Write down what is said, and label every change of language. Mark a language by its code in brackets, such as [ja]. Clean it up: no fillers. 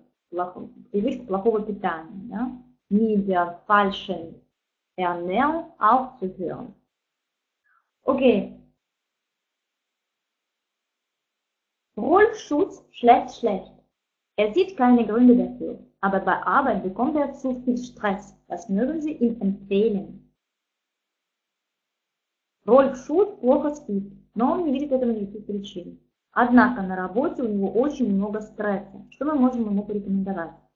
[ru] Привычку плохого питания. [de] Ja? Mit der falschen Ernährung aufzuhören. Okay. Rolf Schutz schläft schlecht. Er sieht keine Gründe dafür. Aber bei Arbeit bekommt er zu viel Stress. Was mögen Sie ihm empfehlen? [ru] Рольф Шут плохо спит, но он не видит этого никаких причин. Однако на работе у него очень много стресса. Что мы можем ему порекомендовать?